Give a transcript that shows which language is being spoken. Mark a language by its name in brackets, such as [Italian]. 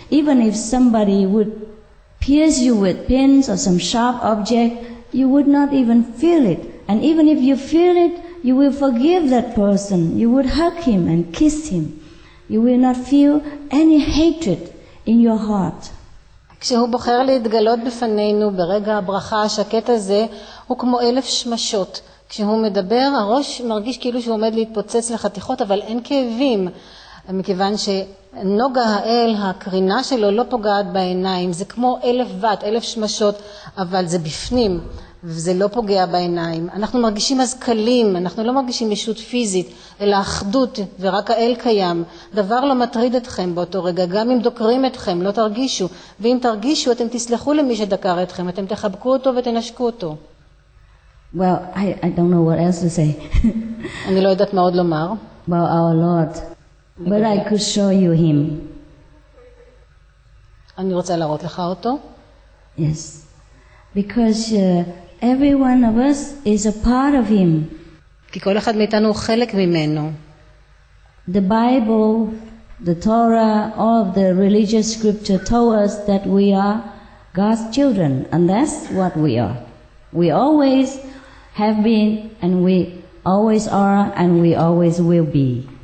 [English] Even if somebody would pierce you with pins or some sharp object, you would not even feel it. And even if you feel it, you will forgive that person. You would hug him and kiss him. You will not feel any hatred in your heart. [Hebrew] כשהוא בוחר להתגלות בפנינו ברגע הברכה השקט הזה, הוא כמו אלף שמשות. כשהוא מדבר, הראש מרגיש כאילו שהוא עומד להתפוצץ לחתיכות, אבל אין כאבים, מכיוון שנוגה האל, הקרינה שלו לא פוגעת בעיניים. זה כמו אלף וט, אלף שמשות, אבל זה בפנים, וזה לא פוגע בעיניים. אנחנו מרגישים אז קלים, אנחנו לא מרגישים ישות פיזית, אלא אחדות, ורק האל קיים. דבר לא מטריד אתכם באותו רגע, גם אם דוקרים אתכם, לא תרגישו. ואם תרגישו, אתם תסלחו למי שדקר אתכם, אתם תחבקו אותו ותנשקו אותו. [English] Well, I don't know what else to say. [Hebrew] אני לא יודעת מה עוד לומר. [English] About our Lord. But I could show you him. [Hebrew] אני רוצה להראות לך אותו. [English] Yes. Because every one of us is a part of him. [Hebrew] כי כל אחד מאיתנו הוא חלק ממנו. [English] The Bible, the Torah, all of the religious scripture told us that we are God's children. And that's what we are. We always have been, and we always are, and we always will be.